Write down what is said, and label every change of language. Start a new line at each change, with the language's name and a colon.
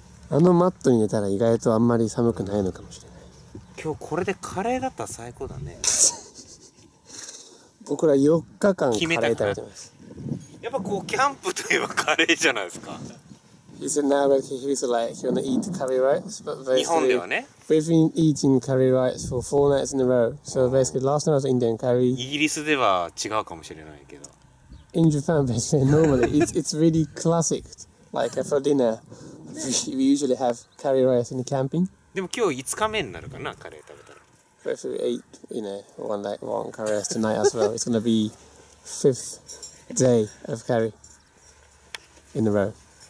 Japanese: あのマットに寝たら意外とあんまり寒くないのかもしれない。今日これでカレーだったら最高だね。僕ら4日間カレー食べてます。やっぱこうキャンプといえばカレーじゃないですか。
English: He said now that he was like he wanna eat curry rice, but basically we've been eating curry rice for 4 nights in a row. So basically last night was Indian curry.
Japanese: イギリスでは違うかもしれないけど。
English: In Japan, basically, normally, it's really classic. Like for dinner, we usually have curry rice in camping.
Japanese: でも今日5日目になるかな、カレー食べたら。
English: But if we ate, you know, one like one curry rice tonight as well, it's gonna be fifth day of curry in a row.